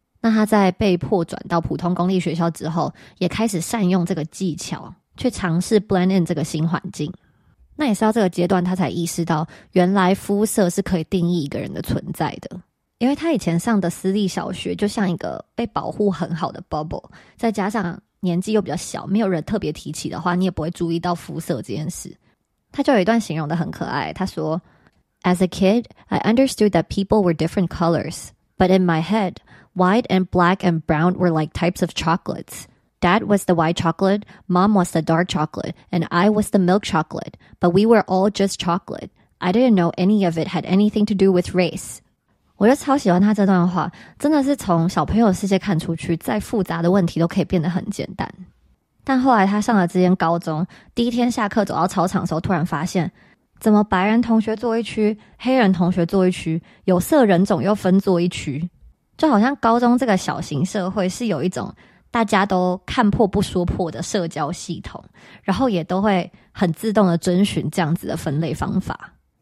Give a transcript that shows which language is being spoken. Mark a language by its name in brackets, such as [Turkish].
[Chinese] 那他在被迫转到普通公立学校之后也开始善用这个技巧去尝试 blend in 这个新环境，那也是到这个阶段他才意识到原来肤色是可以定义一个人的存在的。因为他以前上的私立小学就像一个被保护很好的 bubble， 再加上年纪又比较小，没有人特别提起的话，你也不会注意到肤色这件事。他就有一段形容的很可爱，他说 [English] As a kid, I understood that people were different colors, but in my head, white and black and brown were like types of chocolates. Dad was the white chocolate, mom was the dark chocolate, and I was the milk chocolate, but we were all just chocolate. I didn't know any of it had anything to do with race. [Chinese] 我就超喜欢他这段话，真的是从小朋友的世界看出去，再复杂的问题都可以变得很简单。但后来他上了这间高中，第一天下课走到操场的时候，突然发现怎么白人同学坐一区，黑人同学坐一区，有色人种又分坐一区，就好像高中这个小型社会是有一种大家都看破不说破的社交系统，然后也都会很自动的遵循这样子的分类方法。